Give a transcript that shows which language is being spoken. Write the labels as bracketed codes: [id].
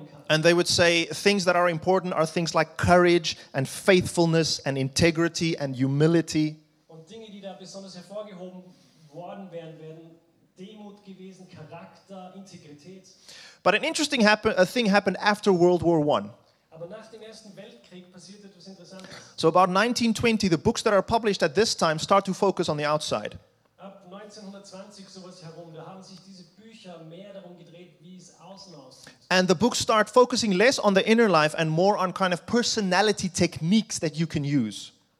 [en] And they would say things that are important are things like courage and faithfulness and integrity and humility. [de] Und Dinge, die da besonders hervorgehoben worden wären, wären Demut gewesen, Charakter, Integrität. [en] But an interesting thing happened after World War I. [de] Aber nach dem Ersten Weltkrieg passiert etwas Interessantes. [en] So about 1920, the books that are published at this time start to focus on the outside. [de] Ab 1920 sowas herum, da haben sich diese Bücher mehr darum gedreht, wie es außen aussieht. [en] And the books start focusing less on the inner life and more on kind of personality techniques that you can use.